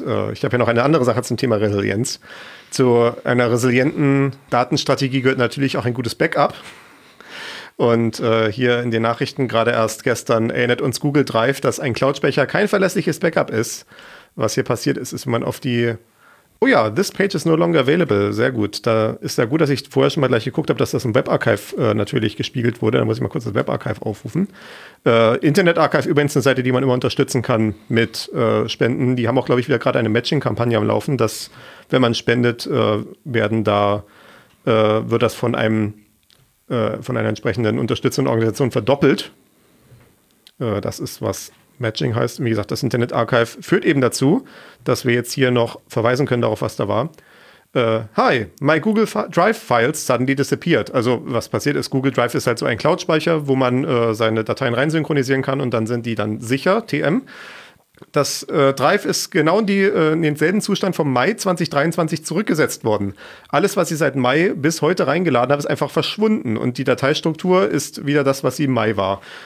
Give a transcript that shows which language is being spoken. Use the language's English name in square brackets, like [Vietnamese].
[German] Ich habe ja noch eine andere Sache zum Thema Resilienz. Zu einer resilienten Datenstrategie gehört natürlich auch ein gutes Backup. Und hier in den Nachrichten gerade erst gestern erinnert uns Google Drive, dass ein Cloud-Speicher kein verlässliches Backup ist. Was hier passiert ist, ist, wenn man auf die... [English] Oh ja, this page is no longer available. [German] Sehr gut. Da ist ja gut, dass ich vorher schon mal gleich geguckt habe, dass das im Webarchive natürlich gespiegelt wurde. Da muss ich mal kurz das Webarchive aufrufen. Internet Archive übrigens eine Seite, die man immer unterstützen kann mit Spenden. Die haben auch, glaube ich, wieder gerade eine Matching-Kampagne am Laufen, dass, wenn man spendet, wird das von einem von einer entsprechenden unterstützenden Organisation verdoppelt. Das ist was. Matching heißt, wie gesagt, das Internet Archive führt eben dazu, dass wir jetzt hier noch verweisen können darauf, was da war. [English] Hi, my Google Drive Files suddenly disappeared. [German] Also was passiert ist, Google Drive ist halt so ein Cloud-Speicher, wo man seine Dateien reinsynchronisieren kann und dann sind die dann sicher, TM. Das Drive ist genau in denselben Zustand vom Mai 2023 zurückgesetzt worden. Alles, was sie seit Mai bis heute reingeladen haben, ist einfach verschwunden und die Dateistruktur ist wieder das, was sie im Mai war.